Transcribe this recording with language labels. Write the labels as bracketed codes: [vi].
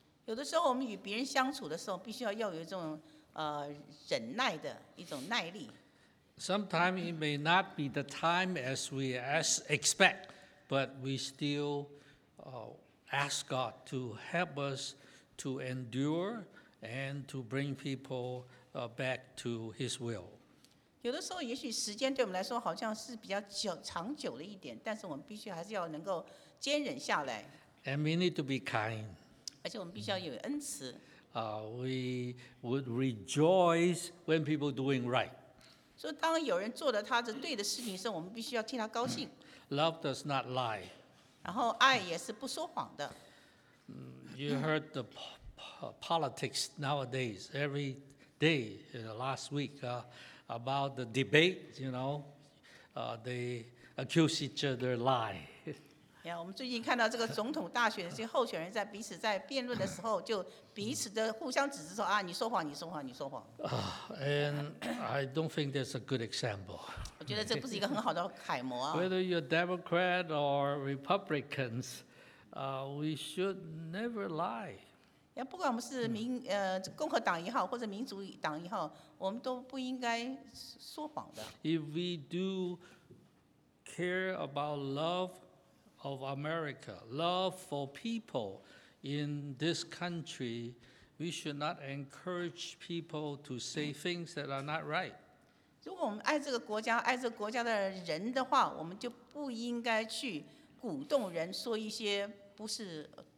[zh] 有的时候我们与别人相处的时候，必须要有一种忍耐的一种耐力。 [en] Sometimes it may not be the time as we expect, but we still ask God to help us to endure and to bring people back to His will. [zh] 有的时候，也许时间对我们来说好像是比较久、长久了一点，但是我们必须还是要能够坚忍下来。 [en] And we need to be kind. [zh] 而且我们必须要有恩慈。 [en] We would rejoice when people doing right. [zh] 所以当有人做了他的对的事情的时候，我们必须要替他高兴。 [en] Love does not lie. [zh] 然后爱也是不说谎的。 [en] You heard the politics nowadays, every day in the last week, about the debate, you know, they accuse each other lie. [zh] Yeah, 我们最近看到这个总统大选，这些候选人在彼此在辩论的时候，就彼此的互相指责说啊，你说谎，你说谎，你说谎。 [en] And I don't think that's a good example. [zh] 我觉得这不是一个很好的楷模啊。 [en] Whether you're Democrat or Republicans, we should never lie. [zh] 不管我们是共和党也好，或者民主党也好，我们都不应该说谎的。 [en] If we do care about love of America, love for people in this country, we should not encourage people to say things that are not right. [zh] 如果我们爱这个国家，爱这个国家的人的话，我们就不应该去鼓动人说一些不是。